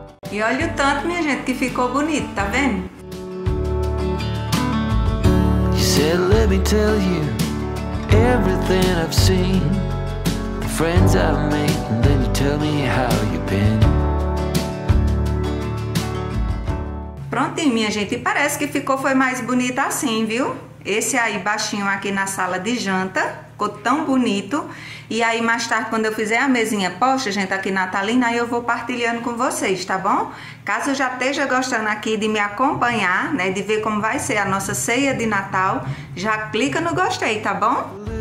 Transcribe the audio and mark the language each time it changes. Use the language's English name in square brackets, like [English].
[Portuguese] E olha o tanto, minha gente, que ficou bonito, tá vendo? [English] Said, let me tell you everything I've seen, the friends I've made, and then you tell me how you've been. [Portuguese] Prontinho, minha gente, parece que ficou, foi mais bonita assim, viu? Esse aí baixinho aqui na sala de janta ficou tão bonito. E aí mais tarde, quando eu fizer a mesinha posta, gente, aqui natalina, aí eu vou partilhando com vocês, tá bom? Caso já esteja gostando aqui de me acompanhar, né, de ver como vai ser a nossa ceia de Natal, já clica no gostei, tá bom?